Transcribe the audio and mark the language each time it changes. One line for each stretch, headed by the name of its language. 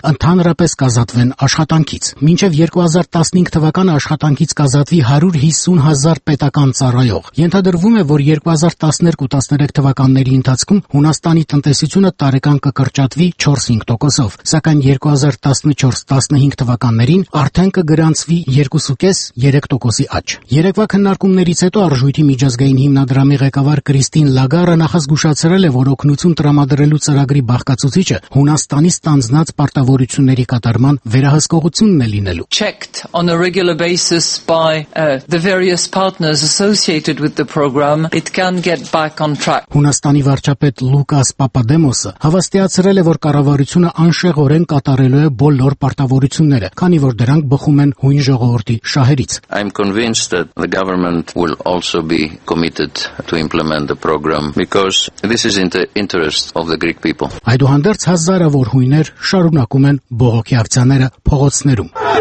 Armenian: ընդհանրապես կազատվեն աշխատանքից։ Մինչև 2015 թվականը աշխատանքից կազատվի 150000 պետական ծառայող։ Ենթադրվում է, որ 2012-13 թվականների ընթացքում Հունաստանի տնտեսությունը տարեկան կկրճատվի 4-5%-ով, սակայն 2014-15 թվականներին արդեն կգրանցվի 2.5-3%-ի աճ։ Երեկվա քննարկումներից հետո Արժույթի միջազգային հիմնադրամի ղեկավար Կրիստին Լագարը նախազգուշացրել է, որ օգնություն տրամադրելու ծրագրի բաղկացուցիչը Հունաստանի ստանձնած պարտավորությունների կատարման վերահսկողությունն է լինելու։
English: Checked on a regular basis by the various partners associated with the program, it can get back on track.
Armenian: Հունաստանի վարչապետ Լուկաս Պապադեմոսը հավաստիացրել է, որ կառավարությունը անշեղորեն կատարելու է բոլոր պարտավորությունները, քանի որ դրանք բխում են հույն ժողովրդի շահերից։
English: I'm convinced that the government will also be committed to implement the program because this is in the interest of the Greek people.
Armenian: Այդուհանդերձ հազարավոր հույներ շարունակում են բողոքի ակցիաները փողոցներում։